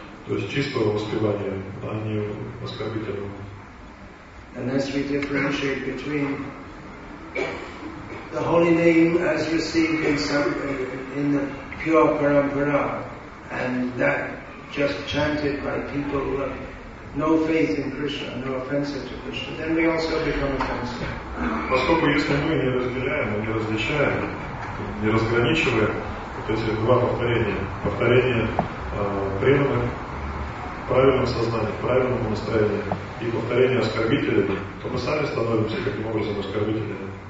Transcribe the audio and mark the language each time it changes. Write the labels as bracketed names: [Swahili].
[Russian] То есть чистого воспевания, а не оскорбительного. [English] And as we differentiate between the holy name as received in some in the pure parampara and that just chanted by people who have no faith in Krishna, no offense to Krishna, then we also become offensive. [Russian] Поскольку если мы не разделяем, не различаем, не разграничиваем вот эти два повторения, повторение преданных в правильном сознании, в правильном настроении и повторение оскорбителями, то мы сами становимся каким образом оскорбителями.